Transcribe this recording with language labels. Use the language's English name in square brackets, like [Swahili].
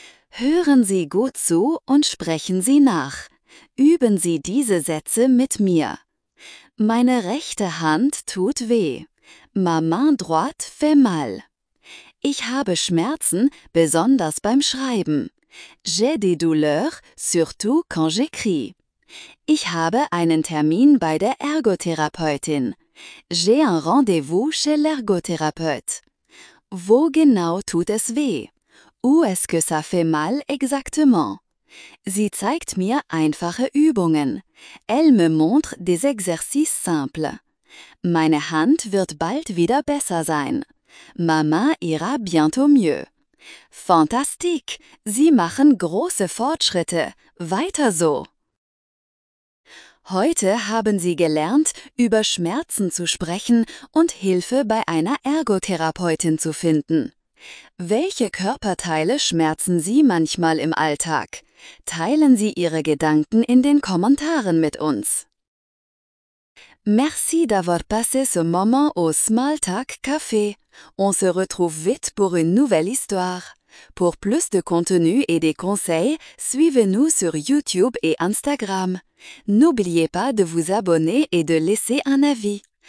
[German] Hören Sie gut zu und sprechen Sie nach. Üben Sie diese Sätze mit mir. Meine rechte Hand tut weh. [French] Ma main droite fait mal. [German] Ich habe Schmerzen, besonders beim Schreiben. [French] J'ai des douleurs, surtout quand j'écris. [German] Ich habe einen Termin bei der Ergotherapeutin. [French] J'ai un rendez-vous chez l'ergothérapeute. [German] Wo genau tut es weh? [French] Où est-ce que ça fait mal exactement? [German] Sie zeigt mir einfache Übungen. [French] Elle me montre des exercices simples. [German] Meine Hand wird bald wieder besser sein. [French] Ma main ira bientôt mieux. Fantastique! [German] Sie machen große Fortschritte. Weiter so! Heute haben Sie gelernt, über Schmerzen zu sprechen und Hilfe bei einer Ergotherapeutin zu finden. Welche Körperteile schmerzen Sie manchmal im Alltag? Teilen Sie Ihre Gedanken in den Kommentaren mit uns. [French] Merci d'avoir passé ce moment au Small Talk Café. On se retrouve vite pour une nouvelle histoire. Pour plus de contenu et des conseils, suivez-nous sur YouTube et Instagram. N'oubliez pas de vous abonner et de laisser un avis.